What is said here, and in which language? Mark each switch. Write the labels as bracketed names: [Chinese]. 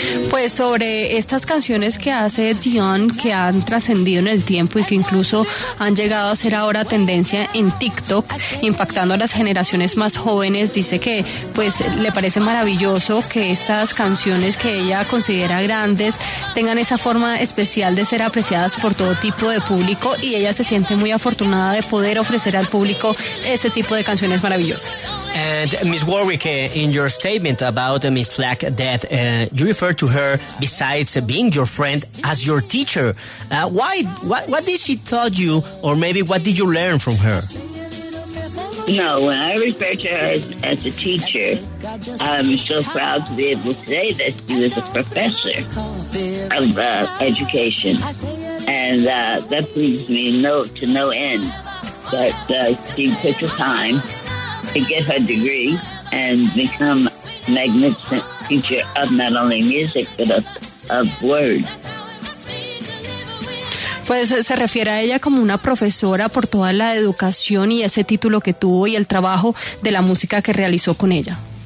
[Spanish] Pues sobre estas canciones que hace Dionne, que han trascendido en el tiempo y que incluso han llegado a ser ahora tendencia en TikTok, impactando a las generaciones más jóvenes, dice que pues le parece maravilloso que estas canciones que ella considera grandes tengan esa forma especial de ser apreciadas por todo tipo de público, y ella se siente muy afortunada de poder ofrecer al público ese tipo de canciones maravillosas. [English] And Miss Warwick, in your statement about Miss Flack death, you refer to her, besides being your friend, as your teacher. What did she tell you, or maybe what did you learn from her? No, when I refer to her as a teacher, I'm so proud to be able to say that she was a professor of education. And that brings me to no end that she took the time to get her degree and become a magnificent teacher of not only music, but of words. [Spanish] Pues se refiere a ella como una profesora por toda la educación y ese título que tuvo y el trabajo de la música que realizó con ella.